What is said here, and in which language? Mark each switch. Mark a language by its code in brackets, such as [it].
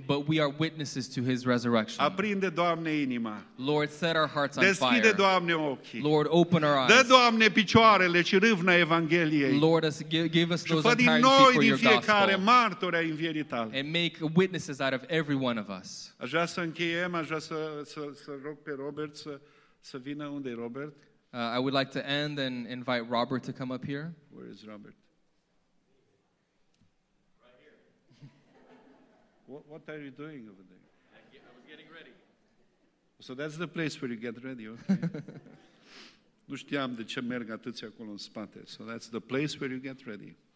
[en] But we are witnesses to his resurrection. [ro] Aprinde, Doamne, inima. [en] Lord, set our hearts on [ro] deschide, [en] fire. [ro] Deschide, Doamne, ochii. [en] Lord, open our eyes. [ro] Dă, Doamne, picioarele și râvna evangheliei. [en] Lord, us give us those untiring feet for your gospel. [ro] Fiecare, tale. [en] And make witnesses out of every one of us. [ro] Aș vrea să încheiem, aș vrea să rog pe Robert să vină. Unde-i Robert? [en] I would like to end and invite Robert to come up here. Where is Robert? Right here. What are you doing over there? I was getting ready. So that's the place where you get ready, okay. [ro] Nu știam de ce merg atâția acolo în spate. [en] So that's the place where you get ready.